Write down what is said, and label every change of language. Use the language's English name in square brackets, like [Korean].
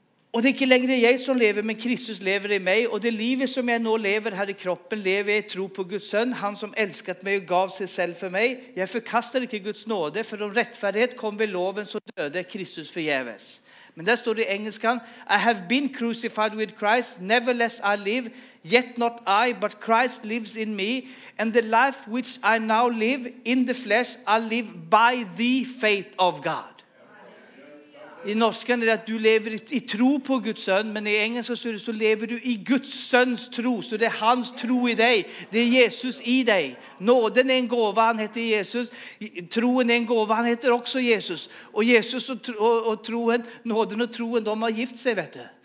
[Swedish] Och det är inte längre jag som lever, men Kristus lever i mig. Och det livet som jag nu lever här i kroppen lever jag i tro på Guds son, han som älskat mig och gav sig själv för mig. Jag förkastar inte Guds nåde, för om rättfärdighet kom vid loven så döde Kristus förgäves. Men där står det i engelskan, [English] I have been crucified with Christ, nevertheless I live, yet not I, but Christ lives in me, and the life which I now live in the flesh, I live by the faith of God. [Swedish] I norskan är det att du lever i tro på Guds son, men i engelska så, så lever du i Guds söns tro. Så det är hans tro i dig. Det är Jesus i dig. Nåden är en gåva, han heter Jesus. Troen är en gåva, han heter också Jesus. Och Jesus och troen, nåden och troen, de har gift sig, vet du.